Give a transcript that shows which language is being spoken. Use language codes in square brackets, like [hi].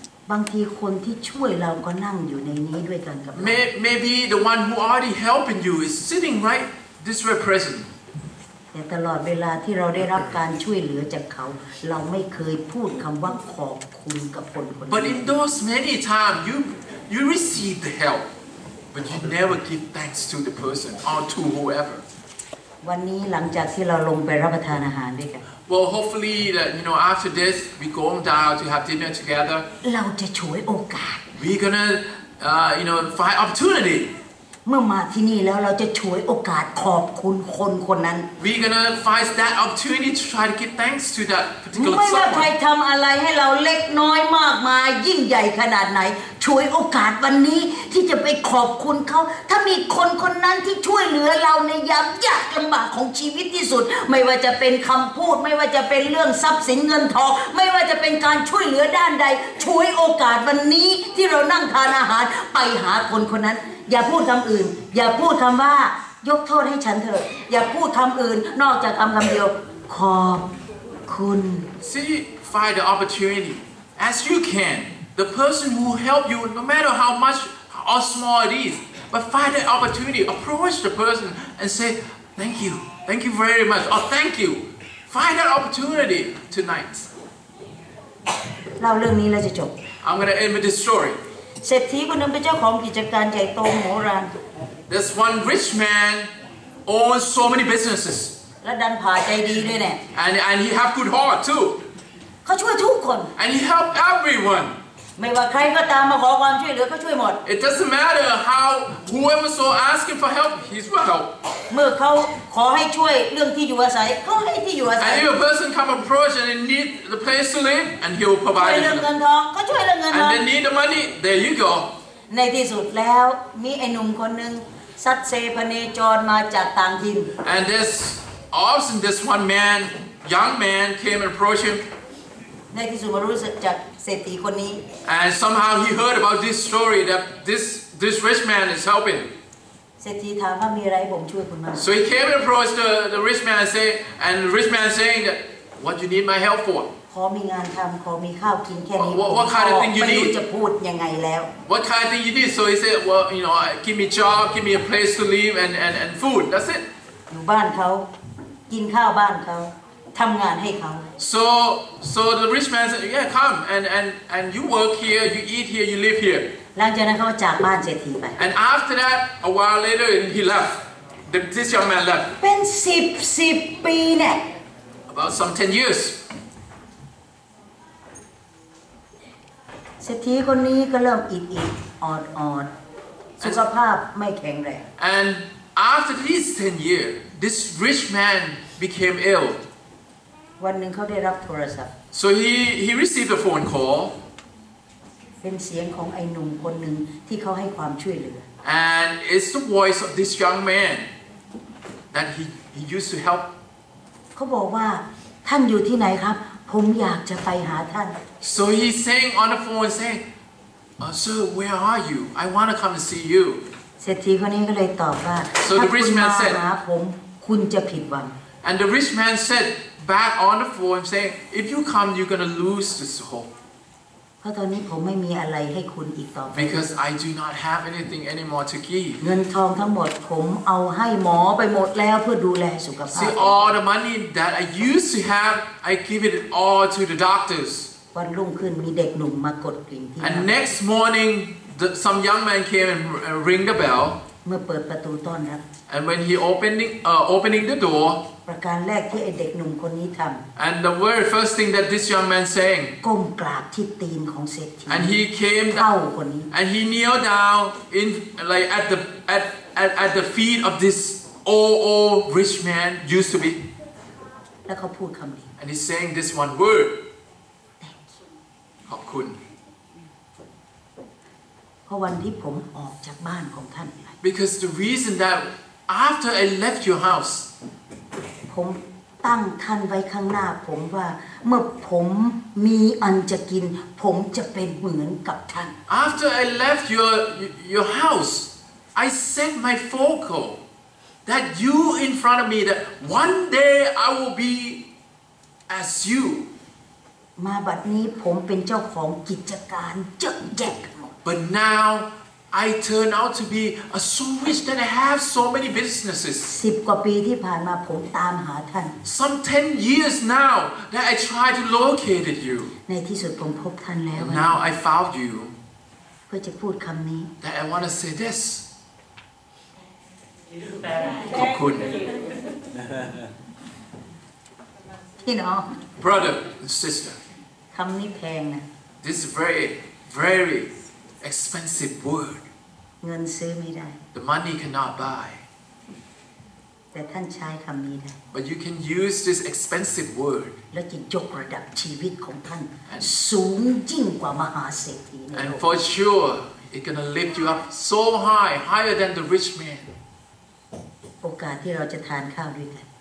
[th] บางทีคนที่ช่วยเราก็นั่งอยู่ในนี้ด้วยกันกับเรา [en] Maybe the one who already helping you is sitting right this very present. [th] แต่ตลอดเวลาที่เราได้รับการช่วยเหลือจากเขาเราไม่เคยพูดคำว่าขอบคุณกับคนคนนั้น [en] But in those many times you receive the help but you never give thanks to the person or to whoever [th] วันนี้หลังจากที่เราลงไปรับประทานอาหารด้วยกัน [en] Well hopefully that you know after this we go down to have dinner together [th] เราจะฉวยโอกาส [en] We're gonna you know find opportunity [th] เมื่อมาที่นี่แล้วเราจะฉวยโอกาสขอบคุณคนคนนั้น [en] We're gonna find that opportunity to try to give thanks to that particular [th] ไม่ว่าใครทำอะไรให้เราเล็กน้อยมากมายยิ่งใหญ่ขนาดไหนฉวยโอกาสวันนี้ที่จะไปขอบคุณเขาถ้ามีคนคนนั้นที่ช่วยเหลือเราในยามยากลำบากของชีวิตที่สุดไม่ว่าจะเป็นคำพูดไม่ว่าจะเป็นเรื่องทรัพย์สินเงินทองไม่ว่าจะเป็นการช่วยเหลือด้านใด ฉวยโอกาสวันนี้ที่เรานั่งทานอาหารไปหาคนคนนั้นอย่าพูดคำอื่นอย่าพูดคำว่ายกโทษให้ฉันเถอะอย่าพูดคำอื่นนอกจากคำเดียวขอบคุณ [en] See find the opportunity as you can the person who help you no matter how much or small it is but find the opportunity approach the person and say thank you very much or thank you find that opportunity tonight [th] เล่าเรื่องนี้แล้วจะจบ [en] I'm gonna end with this story [th] เศรษฐีคนนึงเป็นเจ้าของกิจการใหญ่โตโหรัน [en] This one rich man owns so many businesses [th] และดันผ่าใจดีด้วยแน่ [en] And he have good heart too [th] เขาช่วยทุกคน [en] And he help everyone [th] ไม่ว่าใครก็ตามมาขอความช่วยเหลือก็ช่วยหมด [en] It doesn't matter how whoever so asking for help he's will help [th] เมื่อเขาขอให้ช่วยเรื่องที่อยู่อาศัยเขาให้ที่อยู่อาศัย [en] And if a person come approach and need the place to live and he will provide [th] ช่วยเรื่องเงินทองก็ช่วยเรื่องเงินทอง [en] And they need the money there you go [th] ในที่สุดแล้วมีไอ้หนุ่มคนนึงสัตเซพเนจรมาจากต่างถิ่น [en] And this often this one man young man came and approached him [th] ในที่สุดมารู้จักเศรษฐีคนนี้ [en] And somehow he heard about this story that this rich man is helping [th] เศรษฐีถามว่ามีอะไรผมช่วยคุณมา [en] So he came and approached the rich man and say and the rich man saying that what you need my help for [th] ขอมีงานทำขอมีข้าวกินแค่นี้ [en] What kind of thing you need [th] ไม่รู้จะพูดยังไงแล้ว [en] What kind of thing you need so he said well you know give me job give me a place to live and food that's it [th] อยู่บ้านเขากินข้าวบ้านเขาทำงานให้เขา [en] So the rich man said yeah come and you work here you eat here you live here [th] หลังจากนั้นเขาจากบ้านเศรษฐีไป [en] And after that a while later he left this young man left [th] เป็น10ปีเนี่ย [en] About some 10 years [th] เศรษฐีคนนี้ก็เริ่มอิดอ่อนสุขภาพไม่แข็งแรง [en] And after these 10 years this rich man became ill [th] วันนึงเขาได้รับโทรศัพท์ [en] So he received a phone call [th] เป็นเสียงของไอ้หนุ่มคนหนึ่งที่เขาให้ความช่วยเหลือ [en] And it's the voice of this young man that he used to help [th] เขาบอกว่าท่านอยู่ที่ไหนครับผมอยากจะไปหาท่าน [en] So he's saying on the phone saying Sir where are you I want to come and see you [th] เศรษฐีคนนี้ก็เลยตอบว่า [en] So the rich man said [th] ผมคุณจะผิดหวัง [en] And the rich man said back on the phone saying if you come you're going to lose this hope [th] เพราะตอนนี้ผมไม่มีอะไรให้คุณอีกต่อไป [en] Because I do not have anything anymore to give [th] เงินทองทั้งหมดผมเอาให้หมอไปหมดแล้วเพื่อดูแลสุขภาพ [en] See all the money that I used to have I give it all to the doctors [th] วันรุ่งขึ้นมีเด็กหนุ่มมากดกริ่งที่ [en] And next morning some young man came and ring the bell [th] เมื่อเปิดประตูต้อนรับ [en] And when he opening the door [th] ประการแรกที่ไอ้เด็กหนุ่มคนนี้ทำ [en] And the very first thing that this young man saying [th] ก้มกราบที่ตีนของเศรษฐี [en] And he came down And he kneel down in like at the feet of this old rich man used to be [th] แล้วเขาพูดคำนี้ [en] And he saying this one word Thank you [th] ขอบคุณ เพราะวันที่ผมออกจากบ้านของท่าน [en] Because the reason that after I left your house [th] ผมตั้งท่านไว้ข้างหน้าผมว่าเมื่อผมมีอันจะกินผมจะเป็นเหมือนกับท่าน [en] After I left your house I set my focal that you in front of me that one day I will be as you [th] มาบัดนี้ผมเป็นเจ้าของกิจการเยอะแยะ [en] But nowI turn out to be a so rich that I have so many businesses. [th] 10กว่าปีที่ผ่านมาผมตามหาท่าน [en] Some 10 years now that I tried to locate you. [th] ในที่สุดผมพบท่านแล้ว [en] Now I found you. [th] เพื่อจะพูดคำนี้ [en] That I want to say this. [th] ขอบคุณ พี่น้อง [en] Brother and sister. [th] คำนี้แพงนะ [en] This is very, very. Expensive word. [th] เงินซื้อไม่ได้ [en] The money cannot buy. [th] แต่ท่านใช้คำนี้ได้ [en] But you can use this expensive word. [th] แล้วจะยกระดับชีวิตของท่านสูงยิ่งกว่ามหาเศรษฐี [en] And for sure, it's gonna lift you up so high, higher than the rich man. [th] โอกาสที่เราจะทานข้าวด้วยกัน